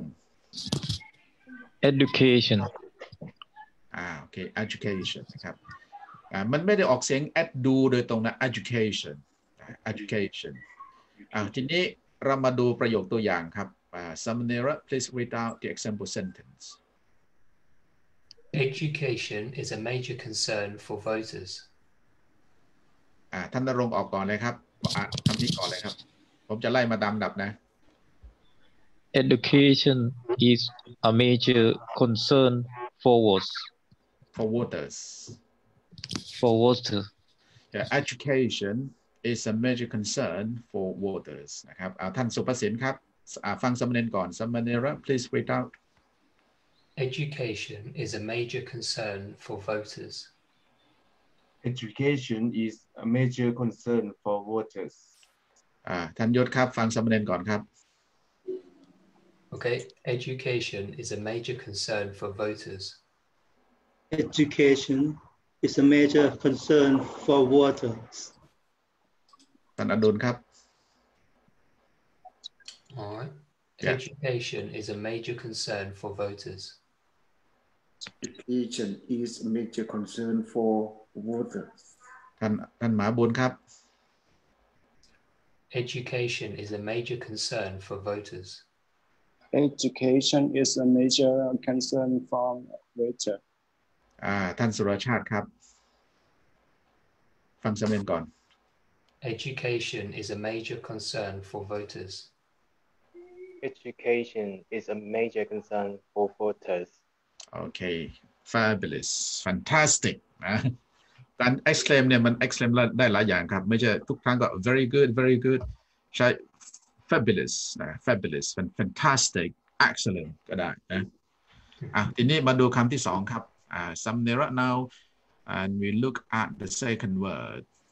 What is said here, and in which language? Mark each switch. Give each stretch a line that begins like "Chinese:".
English: Education.
Thai: โอเค Education นะครับมันไม่ได้ออกเสียง ed ดูโดยตรงนะ Education. Education. ทีนี้เรามาดูประโยคตัวอย่างครับ
English: Samanera, please read out the example sentence. Education is a major concern for voters.
Thai: ท่านนรงค์ออกก่อนเลยครับคำนี้ก่อนเลยครับผมจะไล่มาตามดับนะ
English: Education is a major concern for voters. For voters. For voters. Yeah, education is a major concern for voters.
Thai: นะครับท่านสุภสินครับฟังสำเนียงก่อน
English: Samanera, please read out. Education is a major concern for voters. Education is a major concern for voters.
Thai: ท่านยศครับฟังสำเนียงก่อนครับ
English: โอเค education is a major concern for voters education is a major concern for voters
Thai: ท่านอดุลครับ
English: all right yeah. education is a major concern for voters education is a major concern for voters
Thai: ท่านมหาบุญครับ
English: Education is a major concern for voters. Education is a major concern for voters.
Thai: ท่านสุรชาติครับฟังสำเนียงก่อน
English: Education is a major concern for voters. Education is a major concern for voters. Okay, fabulous, fantastic.
Thai: การ exclaim เนี่ยมัน exclaim ได้หลายอย่างครับไม่ใช่ทุกครั้งก็
English: very good, very good. ใช่ fabulous นะ fabulous fantastic excellent
Thai: ก็ได้นะทีนี้มาดูคำที่สองครับ
English: Samanera now and we look at the second word